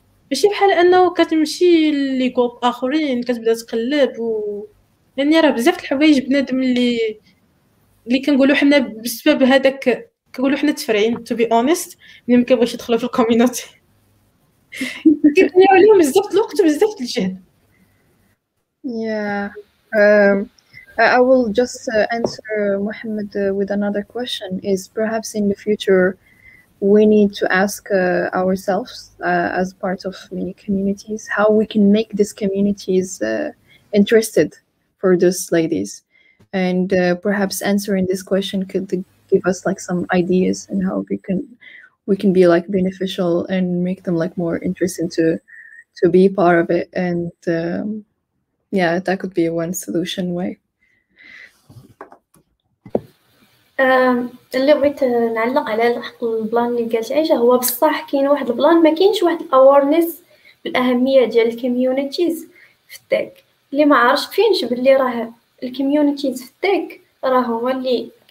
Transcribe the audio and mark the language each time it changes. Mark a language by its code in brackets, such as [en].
[ar] ماشي بحال انه كتمشي لي كوب اخرين كتبدا تقلب و يعني راه بزاف الحوايج بنادم اللي كنقولوا حنا بسبب هذاك كنقولوا حنا تفرعين [en] to be honest [ar] ملي ما كيبغيش يدخلوا في الكوميونيتي كيبنيو عليهم بزاف الوقت وبزاف الجهد [en] I will just answer Mohammed with another question. Is perhaps in the future we need to ask ourselves as part of many communities how we can make these communities interested for those ladies, and perhaps answering this question could give us like some ideas and how we can be like beneficial and make them like more interested to be part of it, and that could be one solution way. [ar] اللي بغيت نعلق على البلان اللي قالت عائشه هو بصح كاين واحد البلان ما كاينش واحد الاورنيس بالاهميه ديال الكوميونيتيز في التك اللي ما عارفش فينش باللي راه الكوميونيتيز في التك راه هما اللي